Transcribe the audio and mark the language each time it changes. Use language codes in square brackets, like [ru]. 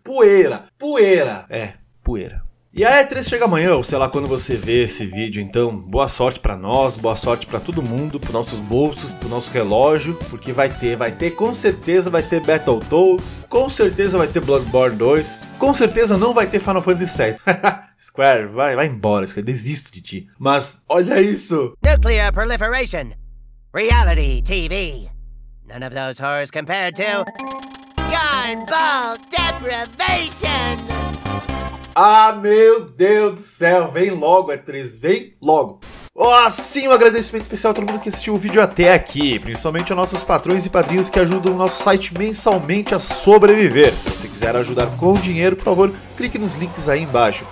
[pt] Poeira, poeira. É, poeira. E a E3 chega amanhã, ou sei lá quando você vê esse vídeo, então boa sorte pra nós, boa sorte pra todo mundo, pros nossos bolsos, pro nosso relógio, porque vai ter, com certeza vai ter Battletoads, com certeza vai ter Bloodborne 2, com certeza não vai ter Final Fantasy 7. Square, vai embora, Square, desisto de ti. Mas, olha isso! [en] Nuclear proliferation, reality TV, none of those horrors compared to gun ball deprivation! [pt] Ah, meu Deus do céu, vem logo, E3, vem logo. Ó, sim, um agradecimento especial a todo mundo que assistiu o vídeo até aqui, principalmente aos nossos patrões e padrinhos que ajudam o nosso site mensalmente a sobreviver. Se você quiser ajudar com dinheiro, por favor, clique nos links aí embaixo.